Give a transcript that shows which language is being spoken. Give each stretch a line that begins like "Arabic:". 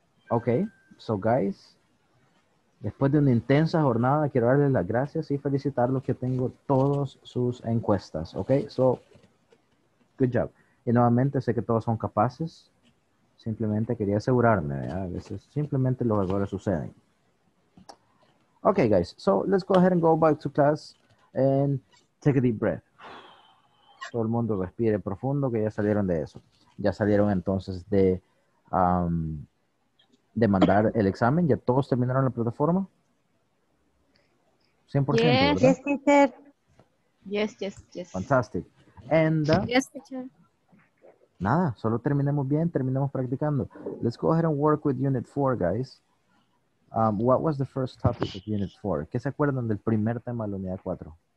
English: Ok, so guys,
Spanish: después de una intensa jornada, quiero darles las gracias y felicitarlos que tengo todas sus encuestas.
English: Ok, so, good job.
Spanish: Y nuevamente, sé que todos son capaces. Simplemente quería asegurarme, ¿verdad? A veces simplemente los errores suceden.
English: Ok, guys, so let's go ahead and go back to class and take a deep breath.
Spanish: Todo el mundo respire profundo, que ya salieron de eso. Ya salieron entonces de mandar el examen. ¿Ya todos terminaron la plataforma? 100%,
English: yes,
Spanish: ¿verdad?
English: Yes, teacher. Yes, yes, yes. Fantastic. And, yes, teacher.
Spanish: Nada, solo terminemos bien, terminemos practicando.
English: Let's go ahead and work with Unit 4, guys. What was the first topic of Unit 4?
Spanish: ¿Qué se acuerdan del primer tema de la Unidad 4?